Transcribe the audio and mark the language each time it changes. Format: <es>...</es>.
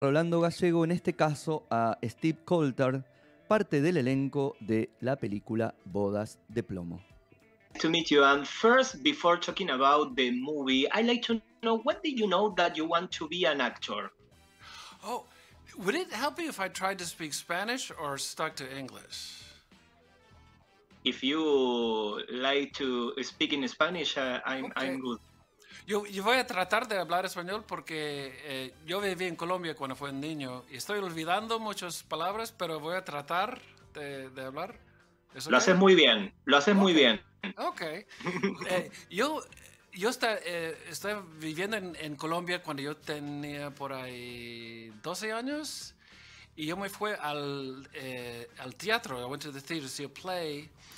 <es>Rolando Gallego, en este caso a Steve Coulthard, parte del elenco de la película Bodas de Plomo.</es> <en>To meet you, and first, before talking about the movie, I'd like to know, when did you know that you want to be an actor? Oh, would it help you if I tried to speak Spanish or stuck to English? If you like to speak in Spanish, I'm good.</en> <es>Yo voy a tratar de hablar español porque yo viví en Colombia cuando fui niño y estoy olvidando muchas palabras, pero voy a tratar de hablar. Okay? Lo haces muy bien, lo haces okay. Muy bien. Ok. Yo estoy viviendo en Colombia cuando yo tenía por ahí 12 años y yo me fui al teatro,</es> <en>I went to the theater to see a play.</en>